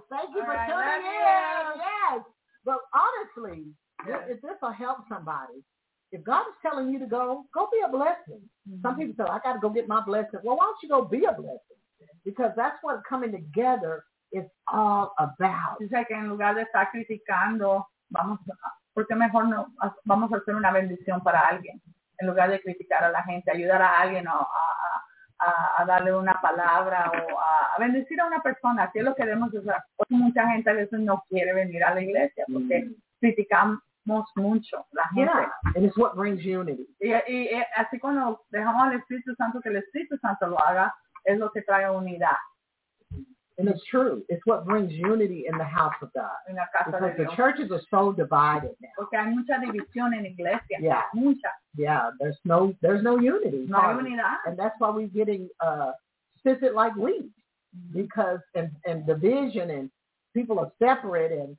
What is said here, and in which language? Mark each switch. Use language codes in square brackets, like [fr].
[en] Thank you for tuning in. But honestly, if this will help somebody, if God is telling you to go, go be a blessing. Mm-hmm. Some people say, I got to go get my blessing. Well, why don't you go be a blessing? Because that's what coming together is all about. [es] Dice que en lugar de estar criticando, vamos a hacer una bendición para alguien. En lugar de criticar a la gente, ayudar a alguien a darle una palabra o a bendecir a una persona. Así es lo que vemos. O sea, hoy mucha gente a veces no quiere venir a la iglesia porque criticamos mucho a la gente. [en] Yeah, and it's what brings unity. [es] Y así cuando dejamos al Espíritu Santo, que el Espíritu Santo lo haga, es lo que trae unidad. [en] And it's true. It's what brings unity in the house of God. [es] En la casa [en] because [es] de Dios. [en] The churches are so divided now. [es] Porque hay mucha división en iglesia. [en] Yeah. [es] Mucha. [en] Yeah. There's no unity. [es] No hay unidad. [en] And that's why we're getting scissored like weeds. Because and division and people are separate.